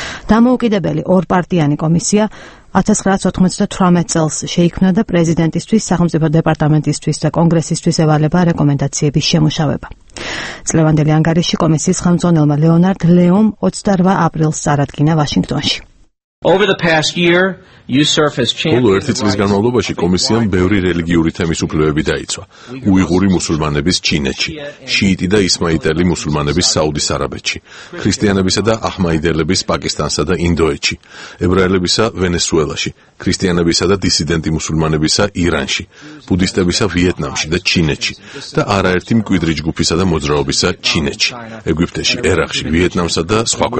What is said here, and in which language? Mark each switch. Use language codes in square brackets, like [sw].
[ka] დამოუკიდებელი ორპარტიანი კომისია 1998 წელს შეიქმნა და პრეზიდენტისთვის, სახელმწიფო დეპარტამენტისთვის და კონგრესისთვის ევალება რეკომენდაციების შემუშავება. წლევანდელი ანგარიში კომისიის ხელმძღვანელმა ლეონარდ ლეომ 28 აპრილს წარადგინა ვაშინგტონში. [en] Over the past year, USURF has championed. [ka] ბოლო ერთი წლის განმავლობაში კომისიამ ბევრი რელიგიური თემის უფლებები დაიცვა. უიღური მუსულმანების ჩინეთში, შიიტი და ისმაილიტელი მუსულმანების საუდის არაბეთში, ქრისტიანებისა და აჰმადიელების პაკისტანსა და ინდოეთში, ებრაელებისა ვენესუელაში, ქრისტიანებისა და დისიდენტი მუსულმანებისა ირანში, ბუდისტებისა ვიეტნამში და ჩინეთში და არაერთი მკვიდრი ჯგუფისა და მოძრაობისა ჩინეთში, ეგვიპტეში, ერაყში, ვიეტნამსა და სხვა